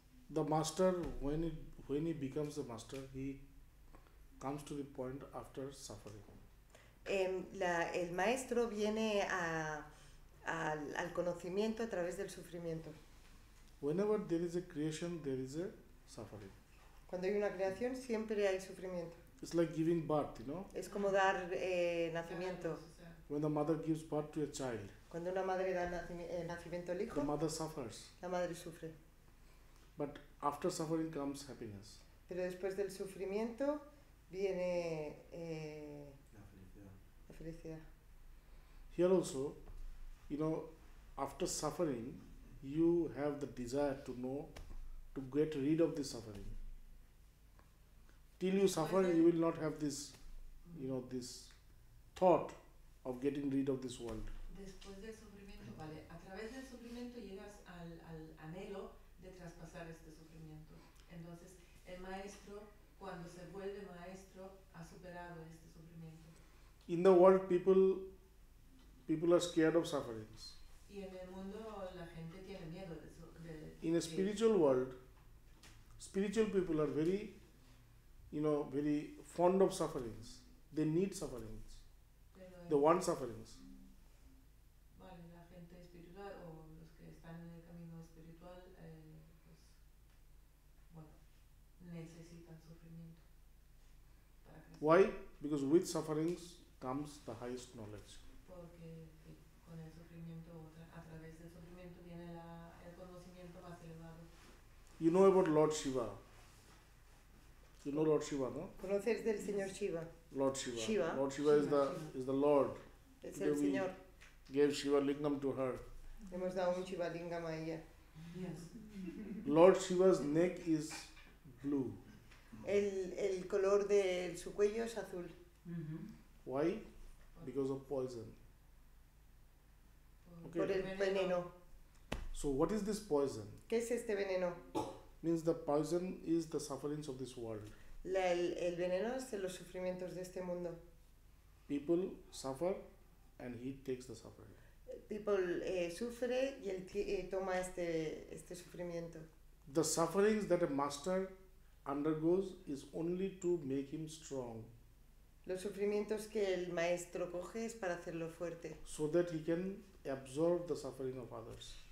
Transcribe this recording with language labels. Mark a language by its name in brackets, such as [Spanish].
[English] The master, when he becomes a master, he comes to the point after suffering. [Spanish] El maestro viene al conocimiento a través del sufrimiento. [English] Whenever there is a creation, there is a suffering. [Spanish] Cuando hay una creación, siempre hay sufrimiento. [English] It's like giving birth, you know? [Spanish] Es como dar nacimiento. [English] When the mother gives birth to a child. [Spanish] Cuando una madre da nacimiento al hijo. [English] The mother suffers. [Spanish] La madre sufre. [English] But after suffering comes happiness. [Spanish] Pero después del sufrimiento viene la felicidad. La felicidad. [English] Here also, you know, after suffering, you have the desire to know, to get rid of the suffering. Till you suffer, you will not have this, you know, this thought of getting rid of this world. [Spanish] Después del sufrimiento, vale. A través del sufrimiento llegas al anhelo de traspasar este sufrimiento. Entonces, el maestro, cuando se vuelve maestro, ha superado este sufrimiento. [English] In the world, people are scared of sufferings. [Spanish] Y en el mundo, la gente tiene miedo de [English] In a spiritual world, spiritual people are very, you know, very fond of sufferings. They need sufferings. They want sufferings. [Spanish] Vale, la gente espiritual o los que están en el camino espiritual, pues, bueno, necesitan sufrimiento. [English] Why? Because with sufferings comes the highest knowledge. [Spanish] Porque con el sufrimiento, a través del sufrimiento viene el conocimiento más elevado. [English] You know about Lord Shiva. You know Lord Shiva, no? [Spanish] ¿Conoces del señor Shiva? [English] Lord Shiva. Shiva. Lord Shiva is the Lord. [Spanish] Es el señor. [English] Gave Shiva lingam to her. [Spanish] Hemos dado un Shiva lingam a ella. [English] Yes. Lord Shiva's neck is blue. [Spanish] El color de su cuello es azul. [English] Mm-hmm. Why? Because of poison. [Spanish] Okay. Por el veneno. [English] So what is this poison? [Spanish] ¿Qué es este veneno? [English] Means the poison is the sufferings of this world. [Spanish] El veneno es de los sufrimientos de este mundo. [English] People suffer and he takes the suffering. [Spanish] People sufre y él toma este sufrimiento. [English] The sufferings that a master undergoes is only to make him strong. [Spanish] Los sufrimientos que el maestro coge es para hacerlo fuerte. [English] So that he can absorb the suffering of others.